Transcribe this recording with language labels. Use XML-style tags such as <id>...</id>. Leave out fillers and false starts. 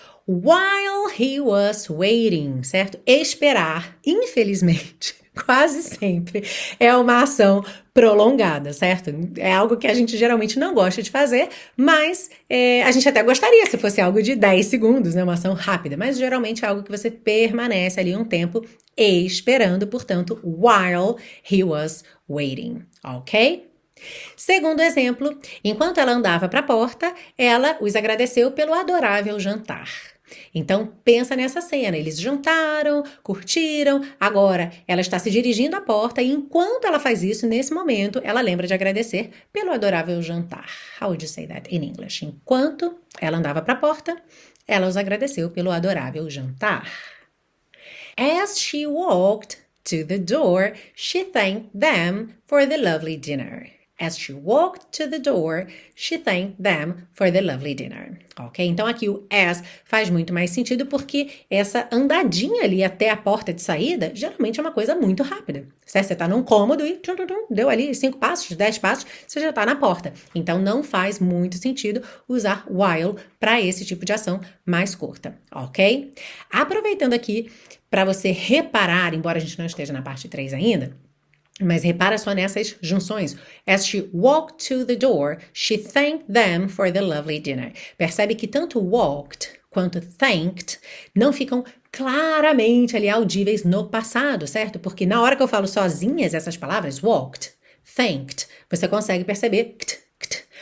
<en>While he was waiting,</en> <pt>certo? Esperar, infelizmente, quase sempre é uma ação prolongada, certo? É algo que a gente geralmente não gosta de fazer, mas a gente até gostaria se fosse algo de 10 segundos, né? Uma ação rápida, mas geralmente é algo que você permanece ali um tempo esperando, portanto,</pt> <en>while he was waiting,</en> <pt>ok? Segundo exemplo, enquanto ela andava para a porta, ela os agradeceu pelo adorável jantar. Então, pensa nessa cena. Eles jantaram, curtiram, agora ela está se dirigindo à porta e enquanto ela faz isso, nesse momento, ela lembra de agradecer pelo adorável jantar.</pt> <en>How would you say that in English?</en> <pt>Enquanto ela andava para a porta, ela os agradeceu pelo adorável jantar.</pt> <en>As she walked to the door, she thanked them for the lovely dinner. As she walked to the door, she thanked them for the lovely dinner. Ok?</en> <pt>Então aqui o as faz muito mais sentido porque essa andadinha ali até a porta de saída geralmente é uma coisa muito rápida. Certo? Você tá num cômodo e tchum, tchum, tchum, deu ali 5 passos, 10 passos, você já tá na porta. Então não faz muito sentido usar while para esse tipo de ação mais curta. Ok? Aproveitando aqui para você reparar, embora a gente não esteja na parte 3 ainda. Mas repara só nessas junções.</pt> <en>As she walked to the door, she thanked them for the lovely dinner.</en> <pt>Percebe que tanto walked quanto thanked não ficam claramente ali audíveis no passado, certo? Porque na hora que eu falo sozinhas essas palavras, walked, thanked, você consegue perceber t, t.</pt>